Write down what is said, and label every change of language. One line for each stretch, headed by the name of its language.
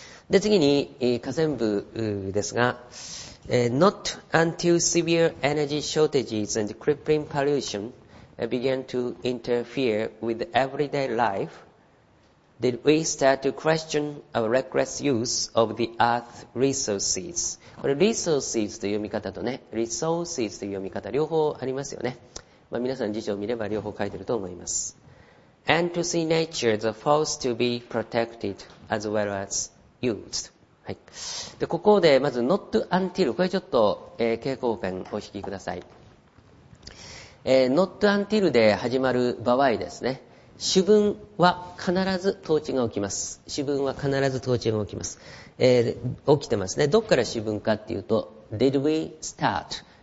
Japanese: で、次に、下線部ですが、
English: Not until severe energy shortages and crippling pollution began to interfere with everyday life did we start to question our reckless use of the earth resources.
Japanese: これ、resources という読み方とね、resources という読み方、両方ありますよね。まあ、皆さん辞書を見れば両方書いてると思います。
English: And to see nature the force to be protected as well as used.
Japanese: はい。で、ここで、まず、not until. これちょっと、蛍光ペンお引きください。not until で始まる場合ですね。主文は必ず統治が起きます。主文は必ず統治が起きます。起きてますね。どっから主文かっていうと、
English: did we start?